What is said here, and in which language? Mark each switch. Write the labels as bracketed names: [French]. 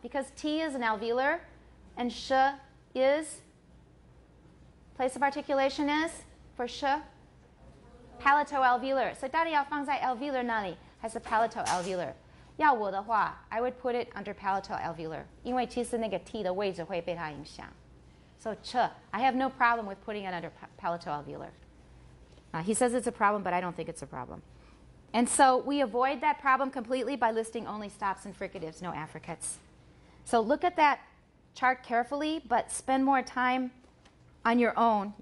[English] Because T is an alveolar and sh is, place of articulation is, for sh, palato-alveolar. [Chinese] So 到底要放在 alveolar 哪里?还是 palato-alveolar? 要我的话, [English] I would put it under palato-alveolar. [Chinese] 因为其实那个T的位置会被它影响。 [English] So ch, I have no problem with putting it under palato-alveolar. He says it's a problem, but I don't think it's a problem. And so we avoid that problem completely by listing only stops and fricatives, no affricates. So look at that chart carefully, but spend more time on your own.